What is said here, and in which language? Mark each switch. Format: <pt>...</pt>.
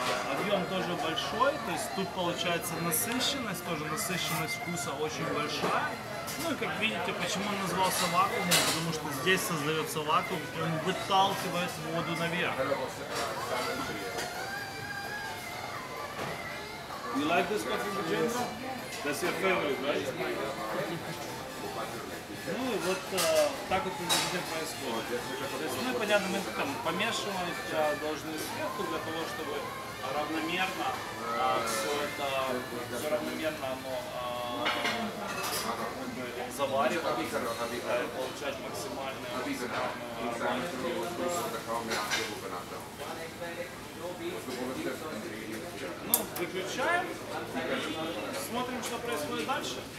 <ru>Объем тоже большой, то есть тут получается насыщенность вкуса очень большая. Ну и как видите, почему он назывался вакуумом, потому что здесь создается вакуум, и он выталкивает воду наверх.</ru> <en>You like this coffee, Virginia? That's your favorite, right?</en> <ru>Ну и вот так вот везде происходит. То есть, ну и понятно, мы там помешиваем должны сверху для того, чтобы равномерно оно заваривалось, да, и получать максимальную Ну, выключаем и смотрим, что происходит дальше.</ru>